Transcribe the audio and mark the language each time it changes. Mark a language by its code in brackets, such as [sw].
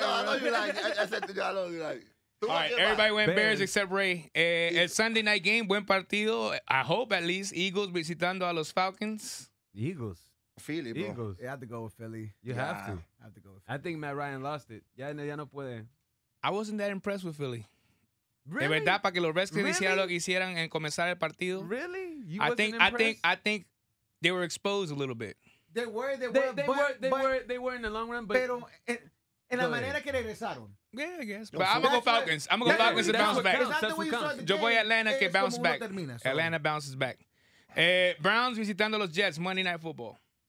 [en] No, I know you like. I said to you, I know you like. All right, everybody went Bears except Ray. El Sunday night game, [es] buen partido. [en] I hope at least Eagles [es] visitando a los [en] Falcons. Eagles. Philly, bro. Eagles. You have to go with Philly. I have to go with Philly. I think Matt Ryan lost it. [es] Ya no puede. [en] I wasn't that impressed with Philly. Really? [es] De verdad, para que los Redskins hicieran lo que hicieran en comenzar el partido. [en] Really? I think they were exposed a little bit. They were in the long run, but [es] pero en la manera que regresaron. [en] Yeah, I guess. But I'm gonna go Falcons. I'm gonna go Falcons to bounce back. [es] Yo voy a Atlanta que [en] bounce back. Atlanta bounces back. Browns [es] visitando los [en] Jets, Monday Night Football.